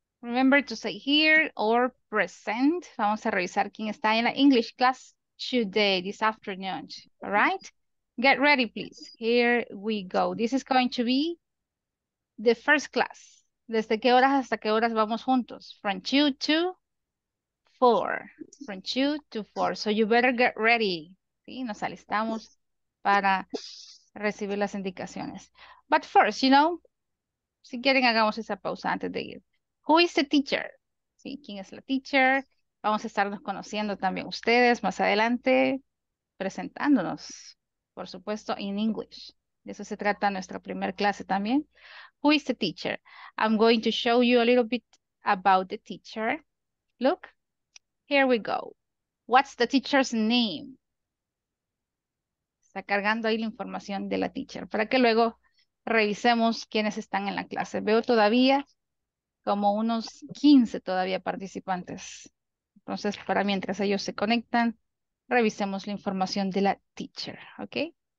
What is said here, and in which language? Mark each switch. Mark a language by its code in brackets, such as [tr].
[en] Remember to say here or present. [es] Vamos a revisar quién está en la [en] English class today, this afternoon. All right? Get ready, please. Here we go. This is going to be the first class. [es] ¿Desde qué horas hasta qué horas vamos juntos? [en] From 2 to 4. From 2 to 4. So you better get ready. ¿Sí? [es] Nos alistamos para recibir las indicaciones. [en] But first, you know, [es] si quieren, hagamos esa pausa antes de ir. [en] Who is the teacher? [es] ¿Sí? ¿Quién es la teacher? Vamos a estarnos conociendo también ustedes más adelante, presentándonos, por supuesto, in English. De eso se trata nuestra primera clase también. [en] Who is the teacher? I'm going to show you a little bit about the teacher. Look, here we go. What's the teacher's name? [es] está cargando ahí la información de la teacher para que luego revisemos quiénes están en la clase. Veo todavía como unos 15 todavía participantes. Entonces, para mientras ellos se conectan, revisemos la información de la teacher, ¿ok?